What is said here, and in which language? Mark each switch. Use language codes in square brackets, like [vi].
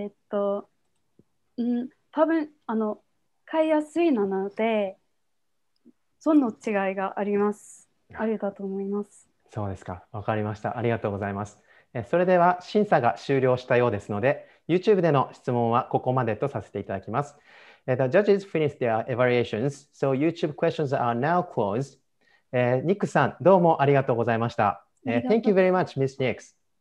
[ja] 多分買いやすいなので、その違いがあります。あるだと思います。そうですか、わかりました。ありがとうございます。それでは審査が終了したようですので、 YouTube での質問はここまでとさせていただきます。 [en] The judges finished their evaluations, so YouTube questions are now closed. [ja] ニックさん、どうもありがとうございました。 [en] Thank you very much, Ms. Nix.